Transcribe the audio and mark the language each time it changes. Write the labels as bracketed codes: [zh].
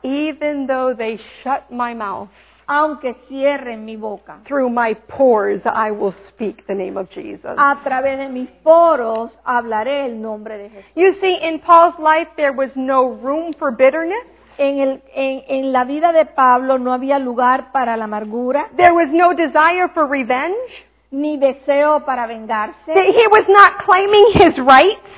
[en] Even though they shut my mouth. [es] Aunque cierren mi boca. [en] Through my pores I will speak the name of Jesus. [es] A través de mis poros hablaré el nombre de Jesús. [en] You see, in Paul's life there was no room for bitterness. [es] En la vida de Pablo no había lugar para la amargura. [en] There was no desire for revenge. [es] Ni deseo para vengarse. [en] He was not claiming his rights.